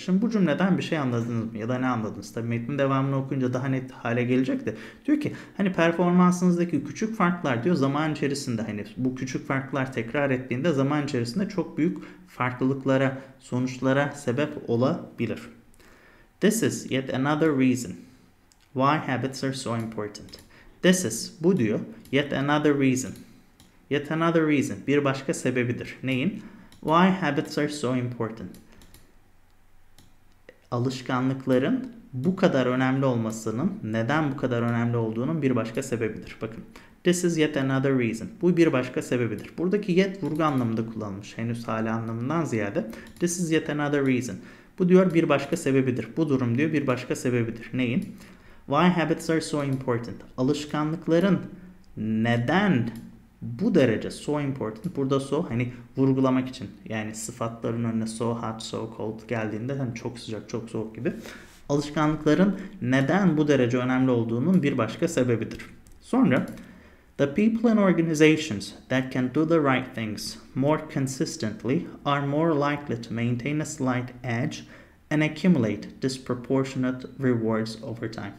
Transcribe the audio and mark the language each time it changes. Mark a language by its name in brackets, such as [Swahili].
[Turkish] Şimdi bu cümleden bir şey anladınız mı? Ya da ne anladınız? Tabii metnin devamını okuyunca daha net hale gelecek de. Diyor ki hani performansınızdaki küçük farklar diyor zaman içerisinde hani bu küçük farklar tekrar ettiğinde zaman içerisinde çok büyük farklılıklara, sonuçlara sebep olabilir. [English] This is yet another reason why habits are so important. This is [Turkish] bu diyor [English] yet another reason. Yet another reason [Turkish] bir başka sebebidir. Neyin? [English] Why habits are so important? [Turkish] Alışkanlıkların bu kadar önemli olmasının, neden bu kadar önemli olduğunun bir başka sebebidir. Bakın. [English] This is yet another reason. [Turkish] Bu bir başka sebebidir. Buradaki yet vurgu anlamında kullanılmış. Henüz hali anlamından ziyade. [English] This is yet another reason. [Turkish] Bu diyor bir başka sebebidir. Bu durum diyor bir başka sebebidir. Neyin? [English] Why habits are so important? [Turkish] Alışkanlıkların neden bu derece [English] so important. [Turkish] Burada so hani vurgulamak için. Yani sıfatların önüne so hot, so cold geldiğinde hani çok sıcak, çok soğuk gibi. Alışkanlıkların neden bu derece önemli olduğunun bir başka sebebidir. [English] Sonra the people in organizations that can do the right things more consistently are more likely to maintain a slight edge and accumulate disproportionate rewards over time.